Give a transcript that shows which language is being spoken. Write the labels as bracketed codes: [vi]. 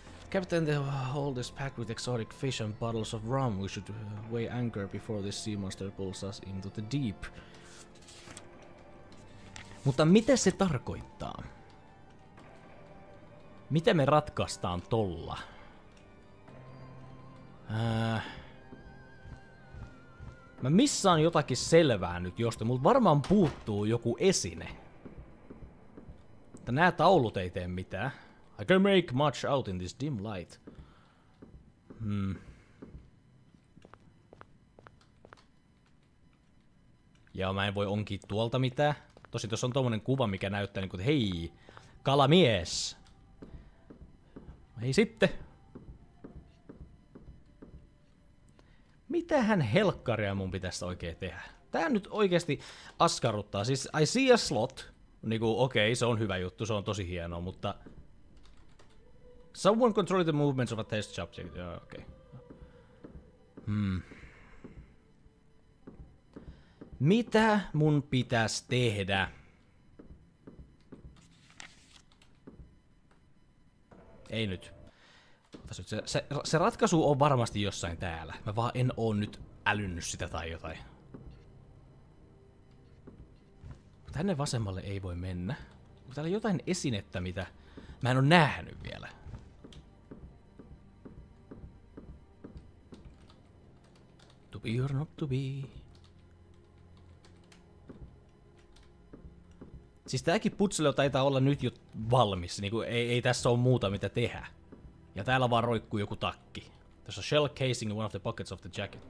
[en] Captain, hold this pack with exotic fish and bottles of rum. We should weigh anchor before this sea monster pulls us into the deep. [fi] Mutta mitä se tarkoittaa? Mitä me ratkaistaan tolla? Mä missaan jotakin selvää nyt josta, mut varmaan puuttuu joku esine. Nää taulut ei tee mitään. [en] I can make much out in this dim light. [fi] Ja mä en voi onkii tuolta mitään. Tosi tossa on tommonen kuva, mikä näyttää niinku, hei, kalamies! Ei sitten. Mitähän helkkaria mun pitäisi oikein tehdä? Tää nyt oikeesti askarruttaa. Siis, [en] I see a slot. [fi] Niinku, okei, se on hyvä juttu, se on tosi hienoa, mutta... [en] Someone control the movements of a test subject. [fi] Joo, okei. Mitä mun pitäis tehdä? Ei nyt. Se ratkaisu on varmasti jossain täällä. Mä vaan en oo nyt älynnyt sitä tai jotain. Tänne vasemmalle ei voi mennä. Onko täällä jotain esinettä, mitä mä en oo nähnyt vielä? [en] To be or not to be. [fi] Siis tääkin putselio taitaa olla nyt jo valmis. Niinku ei tässä oo muuta mitä tehdä. Ja täällä vaan roikkuu joku takki. [en] There's a shell casing in one of the pockets of the jacket.